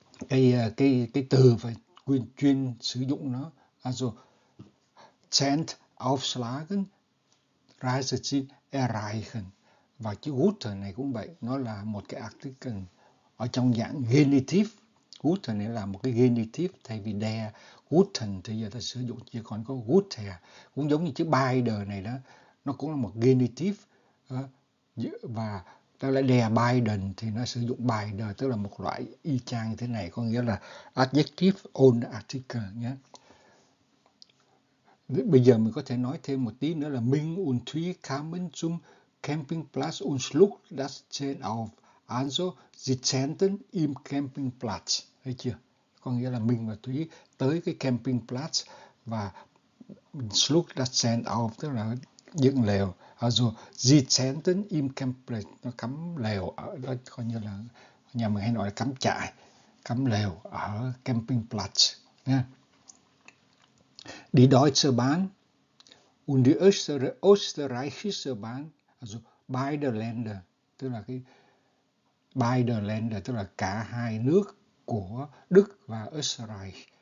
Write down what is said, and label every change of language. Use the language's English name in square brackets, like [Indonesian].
[Vietnamese] Đó là cái từ phải chuyên sử dụng nó. [German] Also, Zelt aufschlagen, Reiseziel erreichen. [Vietnamese] Và chữ gute này cũng vậy, nó là một cái artikel ở trong dạng genitive. Gute này là một cái genitive thay vì der. Guten thì giờ ta sử dụng chỉ còn có gute. Cũng giống như chữ beide này đó, nó cũng là một genitive. Và ta lại der beide thì nó sử dụng beide, tức là một loại y chang như thế này, có nghĩa là adjective on article nhé. Bây giờ mình có thể nói thêm một tí nữa là [German] Minh und Thúy kamen zum Campingplatz und schlug das Zelt auf. Also, sie zählten im Campingplatz. [Vietnamese] Thấy chưa? Có nghĩa là Minh và Thúy tới cái Campingplatz và [German] schlug das Zelt auf, [Vietnamese] tức là dựng lều. [German] Also, sie zählten im Campingplatz. [Vietnamese] Nó cắm lều, ở, coi như là nhà mình hay nói là cắm trại, cắm lều ở Campingplatz. Nha. [German] Die Deutsche Bahn und die Österreichische Bahn, also beide Länder, [Vietnamese] tức là cái beide Länder, tức là cả hai nước của Đức và Österreich.